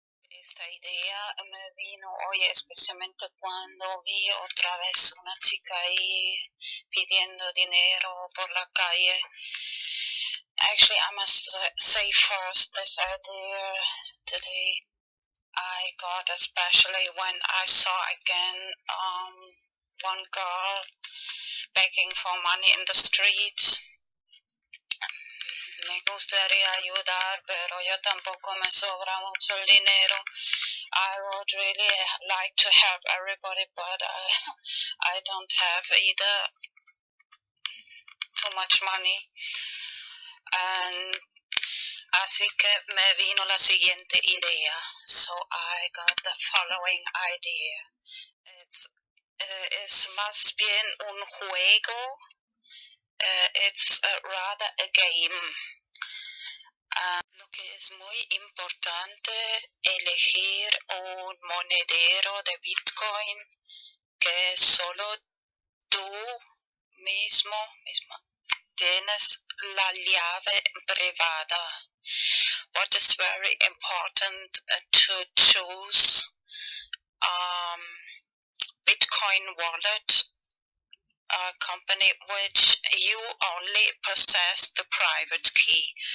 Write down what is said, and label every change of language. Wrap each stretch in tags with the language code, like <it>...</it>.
<es>Esta idea me vino hoy especialmente cuando vi otra vez una chica ahí pidiendo dinero por la calle.</es> <en>Actually, I must say first this idea today I got, especially when I saw again one girl begging for money in the streets.</en> <es>Me gustaría ayudar, pero yo tampoco me sobra mucho el dinero.</es> <en>I would really like to help everybody, but I don't have either too much money. And I</en> <es>Así que me vino la siguiente idea.</es> <en>So I got the following idea. It's</en> <es>más bien un juego.</es> <en>It's rather a game.</en> <es>Lo que es muy importante, elegir un monedero de Bitcoin que solo tú mismo tienes la llave privada.</es> <en>What is very important to choose Bitcoin wallet, a company which you only possess the private key.</en>